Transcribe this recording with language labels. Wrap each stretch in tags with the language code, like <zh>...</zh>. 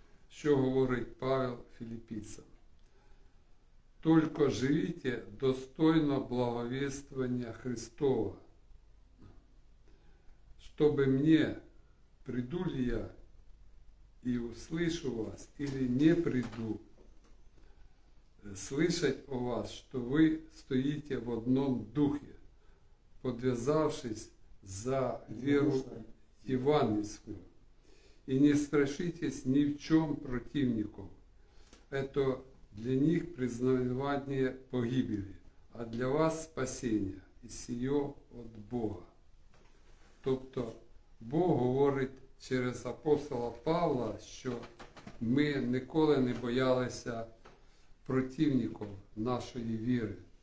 <uk>Що говорить Павел Філіппійцям? Тільки живіть достойно благовіствування Христова, щоб мені, прийду ли я і</uk> <ru>услышу вас, или не прийду, слышать о вас,</ru> <uk>що ви стоїте в одному духі,</uk> <ru>подвязавшись за веру евангельскую. И не страшитесь ни в чем противников. Это для них признание погибели, а для вас спасение и сие от Бога.</ru> <uk>Тобто</uk> <ru>Бог говорит через апостола Павла,</ru> <uk>що ми ніколи не боялися противников нашої віри.</uk>